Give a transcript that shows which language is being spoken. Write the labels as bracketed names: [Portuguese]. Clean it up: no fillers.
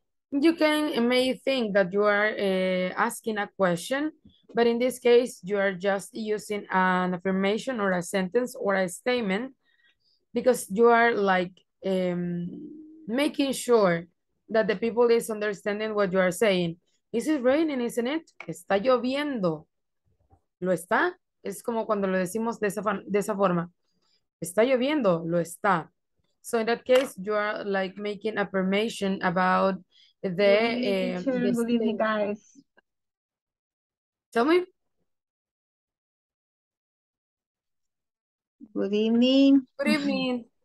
[English] You can may think that you are asking a question, but in this case, you are just using an affirmation or a sentence or a statement because you are like making sure that the people is understanding what you are saying. Is it raining, isn't it? [Spanish] Está lloviendo. ¿Lo está? Es como cuando lo decimos de esa forma. Está lloviendo. Lo está. [English] So in that case, you are like making affirmation about the... Good evening, guys. Tell me. Good evening. Good evening.